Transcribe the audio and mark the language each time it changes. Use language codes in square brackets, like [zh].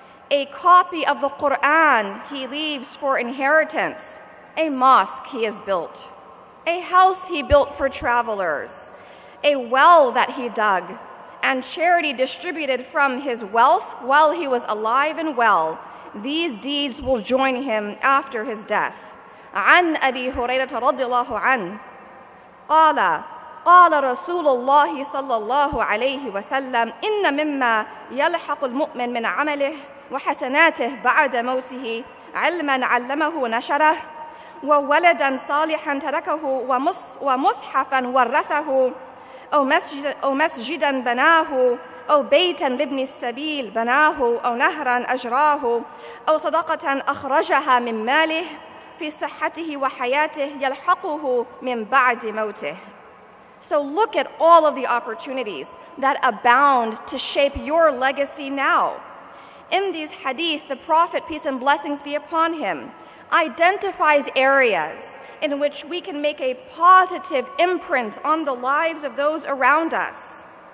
[en] a copy of the Quran he leaves for inheritance, a mosque he has built, a house he built for travelers, a well that he dug, and charity distributed from his wealth while he was alive and well. These deeds will join him after his death." [ar] عن أبي هريرة رضي الله عنه قال قال رسول الله صلى الله عليه وسلم إن مما يلحق المؤمن من عمله وحسناته بعد موته علما علمه نشره وولدا صالحا تركه ومصحفا ورثه أو مسجدا بناه أو بيتا لابن السبيل بناه أو نهرا أجراه أو صدقة أخرجها من ماله في صحته وحياته يلحقه من بعد موته. [en] So look at all of the opportunities that abound to shape your legacy now. In these hadith, the Prophet, peace and blessings be upon him, identifies areas in which we can make a positive imprint on the lives of those around us.